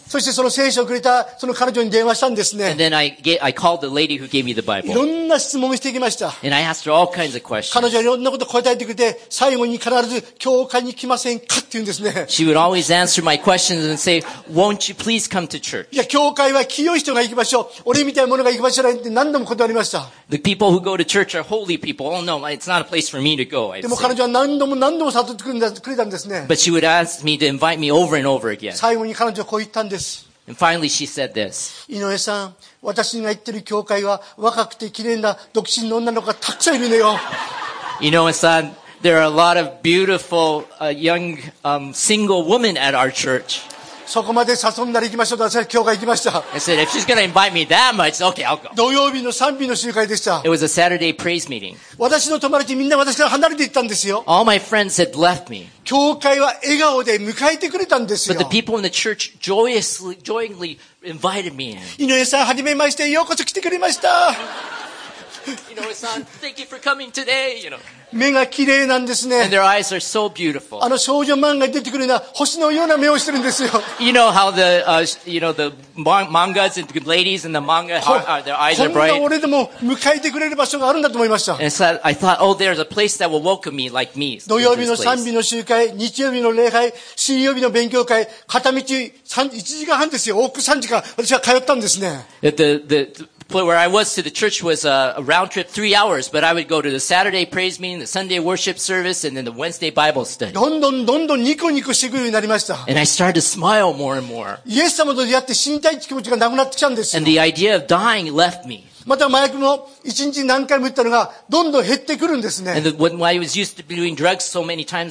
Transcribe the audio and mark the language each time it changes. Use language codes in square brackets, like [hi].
[ja] そしてその聖書をくれたその彼女に電話したんですね。 [en] And then I called the lady who gave me the Bible. [ja] いろんな質問をしてきました。 [en] And I asked her all kinds of questions. [ja] 彼女はいろんなことを答えてくれて、最後に必ず教会に来ませんかって言うんですね。 [en] She would always answer my questions and say, "Won't you please come to church?" [ja] いや、教会は清い人が行きましょう。俺みたいなものが行きましょうなんて何度も断りました。 [en] The people who go to church are holy people. Oh no, it's not a place for me to go. [ja] でも彼女は何度も何度も誘ってくれたんですね。 [en] But she would ask me to invite me over and over again. [ja] 最後に彼女はこう言ったんです。 [en] And finally she said this. [ja] 井上さん、私が行ってる教会は若くて綺麗な独身の女の子がたくさんいるのよ。 [en] 井上さん、there are a lot of beautiful, young, single women at our church. [ja] そこまで誘んだら行きましょうと私は教会行きました。 [en] I said, if she's gonna invite me that much, okay, I'll go. [ja] 土曜日の賛美の集会でした。 [en] It was a Saturday praise meeting. [ja] 私の友達みんな私から離れて行ったんですよ。 [en] All my friends had left me. [ja] 教会は笑顔で迎えてくれたんですよ。 [en] But the people in the church joyously, joyingly invited me in. [ja] 井上さん、初めまして、ようこそ来てくれました。 [en] 井上さん、thank you for coming today, you know. [ja] 目が綺麗なんですね。 [en] And their eyes are so beautiful. [ja] あの少女漫画に出てくるような星のような目をしてるんですよ。 [en] You know how the, you know, the mangas and the ladies in the manga, their eyes are bright. [ja] こんな俺でも迎えてくれる場所があるんだと思いました。 [en] And so I thought, oh, there's a place that will welcome me like me. [ja] 土曜日の賛美の集会、日曜日の礼拝、水曜日の勉強会、片道1時間半ですよ。往復3時間、私は通ったんですね。 [en] Where I was to the church was a round trip 3 hours, but I would go to the Saturday praise meeting, the Sunday worship service, and then the Wednesday Bible study. [ja] どんどんどんどんニコニコしてくるようになりました。 [en] And I started to smile more and more. [ja] イエス様と出会って死にたい気持ちがなくなってきたんですよ。 [en] And the idea of dying left me. [ja] また麻薬も一日何回も言ったのがどんどん減ってくるんですね。 [en] And when I was used to doing drugs so many